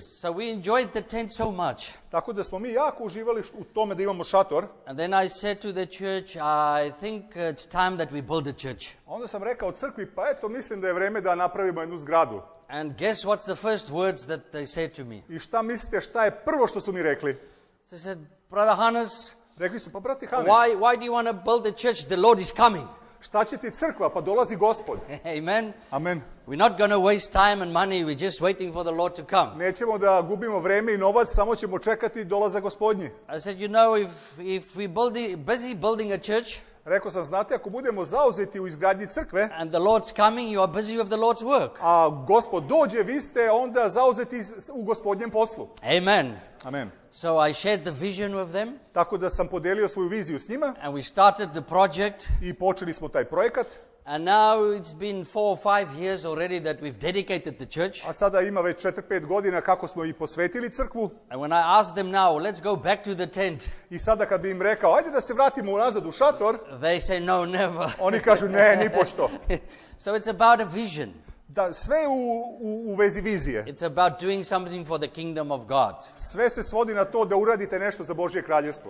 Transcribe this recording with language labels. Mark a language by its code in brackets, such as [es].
[en] So we enjoyed the tent so much. [sr] Tako da smo mi jako uživali u tome da imamo šator. [en] And then I said to the church, I think it's time that we build a church. [sr] Onda sam rekao crkvi, pa eto mislim da je vrijeme da napravimo jednu zgradu. [en] And guess what's the first words that they said to me? [sr] I šta mislite, šta je prvo što su mi rekli? [en] They said, brother Hannes. [sr] Rekli su, pa brate Hannes. [en] Why do you want to build a church? The Lord is coming. [sr] Šta će ti crkva? Pa dolazi Gospod. [en] Amen. Amen. We're not going to waste time and money. We're just waiting for the Lord to come. [sr] Nećemo da gubimo vrijeme i novac, samo ćemo čekati dolazak Gospodnji. [en] I said, you know, if we build busy building a church. [sr] Rekao sam, znate, ako budemo zauzeti u izgradnji crkve. [en] And the Lord's coming, you are busy with the Lord's work. [sr] A Gospod dođe, vi ste onda zauzeti u Gospodnjem poslu. [en] Amen. Amen. So I shared the vision with them. [sr] Tako da sam podelio svoju viziju s njima. [en] And we started the project. [sr] I počeli smo taj projekat. [en] And now it's been 4 or 5 years already that we've dedicated the church. [sr] A sada ima već 4-5 godina kako smo i posvetili crkvu. [en] And when I asked them now, let's go back to the tent. [sr] I sada kad bi im rekao, ajde da se vratimo nazad u šator. [en] They say no, never. [sr] Oni kažu ne, nipošto. [en] So it's about a vision. [sr] Da, sve u vezi vizije. [en] It's about doing something for the kingdom of God. [sr] Sve se svodi na to da uradite nešto za Božje kraljevstvo.